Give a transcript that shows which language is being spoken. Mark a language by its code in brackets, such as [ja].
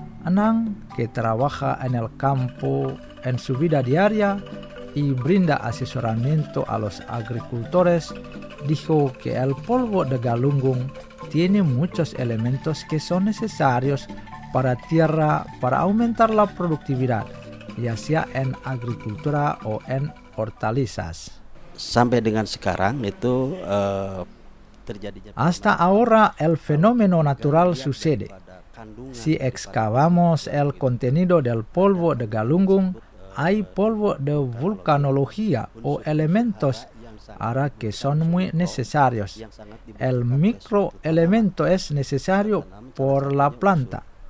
[es] Nang, que trabaja en el campo en su vida diaria y brinda asesoramiento a los agricultores, dijo que el polvo de Galunggung tiene muchos elementos que son necesarios para tierra para aumentar la productividad, ya sea en agricultura o en hortalizas. [id] Sampai dengan sekarang itu terjadi. [es] Hasta ahora el fenómeno natural sucede. Si excavamos el contenido del polvo de Galunggung, hay polvo de vulcanología o elementos ahora que son muy necesarios. El microelemento es necesario por la planta.